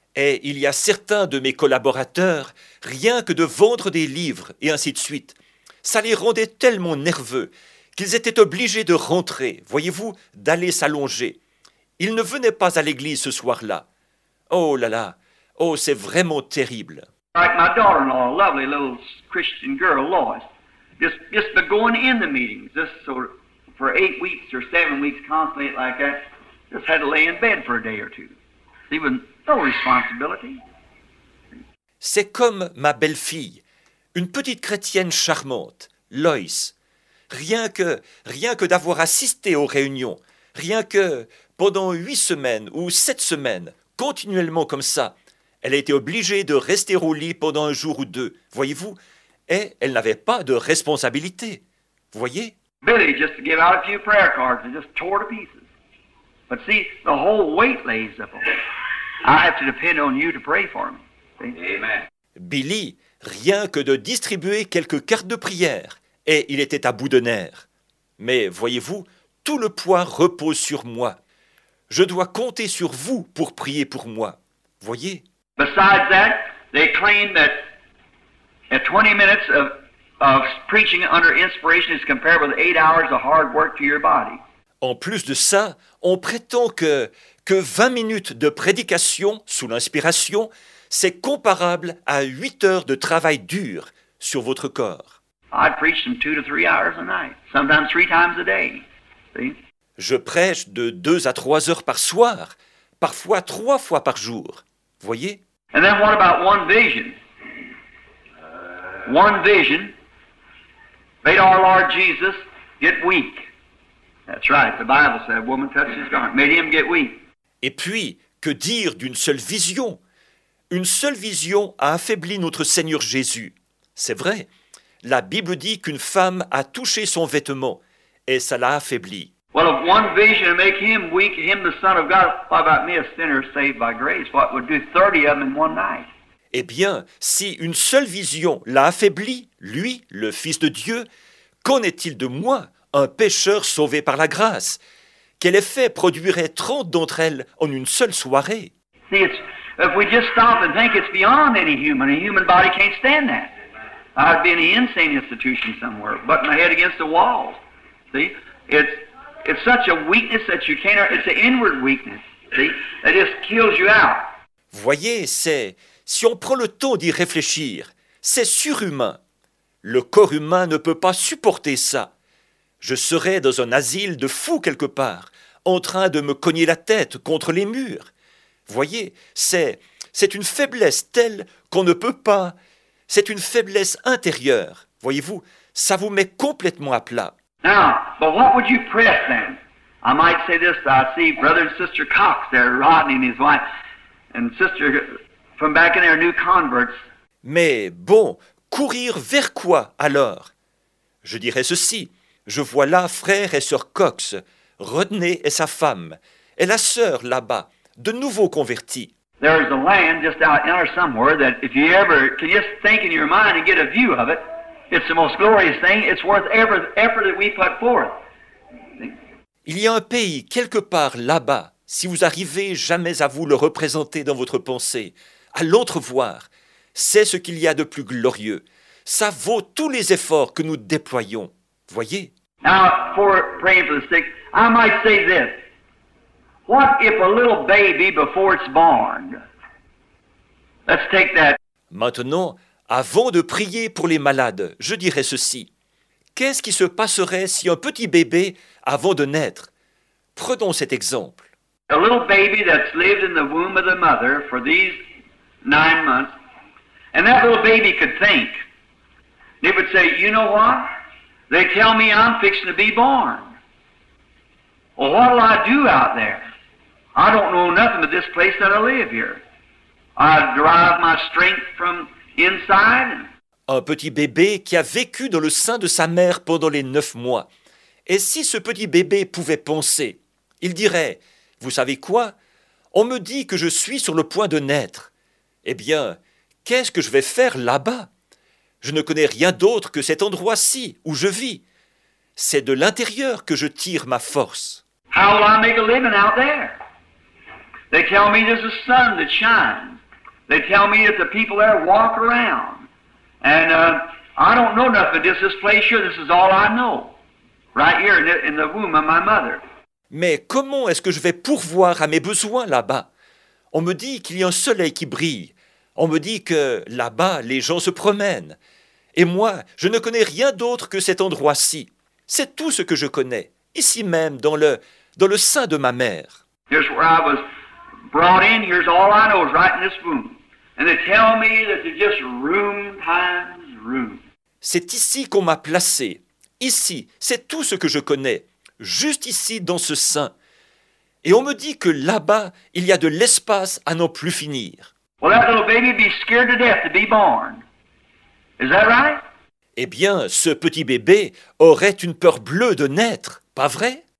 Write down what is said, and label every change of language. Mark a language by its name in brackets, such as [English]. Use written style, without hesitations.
[French] Et il y a certains de mes collaborateurs, rien que de vendre des livres et ainsi de suite, ça les rendait tellement nerveux qu'ils étaient obligés de rentrer, voyez-vous, d'aller s'allonger. Ils ne venaient pas à l'église ce soir-là. Oh là là, oh c'est vraiment terrible. [English] Like my daughter-in-law, a lovely little Christian girl, Lois, just been going in the meetings, just sort of for 8 weeks or 7 weeks constantly like that, just had to lay in bed for a day or two. Even no responsibility. [French] C'est comme ma belle-fille, une petite chrétienne charmante, Lois. Rien que d'avoir assisté aux réunions, rien que pendant 8 semaines ou 7 semaines, continuellement comme ça, elle a été obligée de rester au lit pendant un jour ou deux, voyez-vous, et elle n'avait pas de responsabilité, voyez. [English] Billy, just to give out a few prayer cards, and just tore to pieces. But see, the whole weight lays up on it. I have to depend on you to pray for me. Amen. [French] Billy, rien que de distribuer quelques cartes de prière, et il était à bout de nerfs. Mais voyez-vous, tout le poids repose sur moi. Je dois compter sur vous pour prier pour moi. Voyez. [English] Besides that, they claim that 20 minutes of preaching under inspiration is compared with 8 hours of hard work to your body. [French] En plus de ça, on prétend que 20 minutes de prédication sous l'inspiration, c'est comparable à 8 heures de travail dur sur votre corps. [English] I preach them 2 to 3 hours a night, sometimes 3 times a day. See? [French] Je prêche de 2 à 3 heures par soir, parfois 3 fois par jour. Voyez? [English] And then what about one vision? One vision made our Lord Jesus get weak. That's right, the Bible said, woman touched his garment, made him get weak. [French] Et puis, que dire d'une seule vision? Une seule vision a affaibli notre Seigneur Jésus. C'est vrai, la Bible dit qu'une femme a touché son vêtement, et ça l'a affaibli. [English] Well, if one vision make him weak, him the Son of God, what about me, a sinner saved by grace? What would do 30 of them in one night? [French] Eh bien, si une seule vision l'a affaibli, lui, le Fils de Dieu, qu'en est-il de moi, un pécheur sauvé par la grâce? Quel effet produirait 30 d'entre elles en une seule soirée? [English] See, it's, If we just stop and think it's beyond any human, a human body can't stand that. I'd be in an insane institution somewhere, butting my head against the walls. See? It's such a weakness that you can't... It's an inward weakness, see? That just kills you out. [French] Voyez, c'est... Si on prend le temps d'y réfléchir, c'est surhumain. Le corps humain ne peut pas supporter ça. Je serais dans un asile de fous quelque part, en train de me cogner la tête contre les murs. Voyez, c'est une faiblesse telle qu'on ne peut pas. C'est une faiblesse intérieure. Voyez-vous, ça vous met complètement à plat. [English] Now, but what would you press then? I might say this, I see brother and sister Cox there, Rodney and his wife, and sister from back in their new converts. [French] Mais bon, courir vers quoi alors? Je dirais ceci. Je vois là frère et sœur Cox, Rodney et sa femme, et la sœur là-bas, de nouveau convertie. [English] There is a land just out in there somewhere that if you ever can just think in your mind and get a view of it, it's the most glorious thing. It's worth every effort that we put forth. [French] Il y a un pays quelque part là-bas. Si vous arrivez jamais à vous le représenter dans votre pensée, à l'entrevoir, c'est ce qu'il y a de plus glorieux. Ça vaut tous les efforts que nous déployons. Voyez. [English] Now, for praying for the sick, I might say this. What if a little baby before it's born? Let's take that. [French] Maintenant, avant de prier pour les malades, je dirais ceci. Qu'est-ce qui se passerait si un petit bébé, avant de naître? Prenons cet exemple. [English] A little baby that's lived in the womb of the mother for these 9 months, and that little baby could think. They would say, you know what? They tell me I'm fixing to be born. Well, what will I do out there? I don't know nothing but this place that I live here. I derive my strength from inside. [French] Un petit bébé qui a vécu dans le sein de sa mère pendant les 9 mois. Et si ce petit bébé pouvait penser, il dirait, vous savez quoi? On me dit que je suis sur le point de naître. Eh bien, qu'est-ce que je vais faire là-bas? Je ne connais rien d'autre que cet endroit-ci où je vis. C'est de l'intérieur que je tire ma force. [English] How will I make a living out there? They tell me there's a sun that shines. They tell me that the people there walk around. And I don't know nothing. Just this place here, this is all I know. Right here in the womb of my mother. [French] Mais comment est-ce que je vais pourvoir à mes besoins là-bas? On me dit qu'il y a un soleil qui brille. On me dit que là-bas, les gens se promènent. Et moi, je ne connais rien d'autre que cet endroit-ci. C'est tout ce que je connais, ici même, dans le sein de ma mère. [English] Here's where I was brought in. Here's all I know is right in this room. And they tell me that it's just room times room. [French] C'est ici qu'on m'a placé. Ici, c'est tout ce que je connais. Juste ici, dans ce sein. Et on me dit que là-bas, il y a de l'espace à n'en plus finir. [English] Well, that little baby be scared to death to be born. Is that right? [French] Eh bien, ce petit bébé aurait une peur bleue de naître, pas vrai?